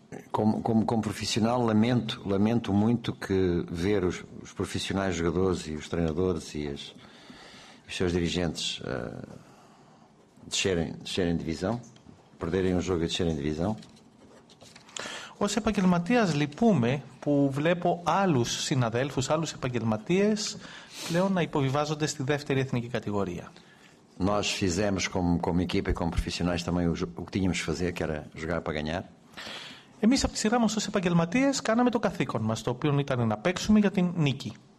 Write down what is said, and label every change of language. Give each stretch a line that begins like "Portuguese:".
Portuguese: Como profissional, lamento muito que ver os profissionais jogadores e os treinadores e os seus dirigentes descerem divisão, perderem um jogo e descerem divisão.
Greek: Ως επαγγελματίας λυπούμε που βλέπω άλλους συναδέλφους, άλλους επαγγελματίες πλέον να υποβιβάζονται στη δεύτερη εθνική κατηγορία.
Portuguese: Nós fizemos como equipa e como profissionais também o que tínhamos que fazer, que era jogar para ganhar.
Greek: Εμείς από τη σειρά μας ως επαγγελματίες κάναμε το καθήκον μας, το οποίο ήταν να παίξουμε για την νίκη.